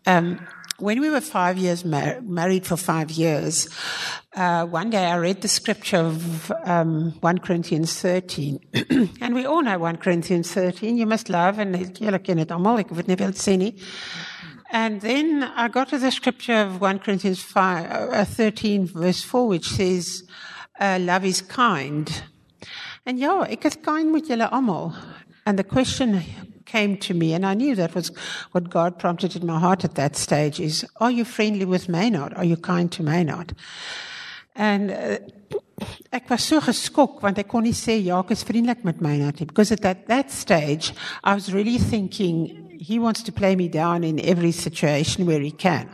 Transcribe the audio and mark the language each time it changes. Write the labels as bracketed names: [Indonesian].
[English] When we were married for 5 years, one day I read the scripture of 1 Corinthians 13. And we all know 1 Corinthians 13. You must love, and you're looking at Amal, you wouldn't have seen it. And then I got to the scripture of 1 Corinthians 13, verse 4, which says, love is kind. [Afrikaans] And ja, ek is kind met julle almal. [English] And the question came to me, and I knew that was what God prompted in my heart at that stage, is, are you friendly with Maynard? Are you kind to Maynard? And [Afrikaans] ek was so geskok, want ek kon nie sê, ja, ek is vriendelik met Maynard. [English] Because at that stage, I was really thinking, he wants to play me down in every situation where he can.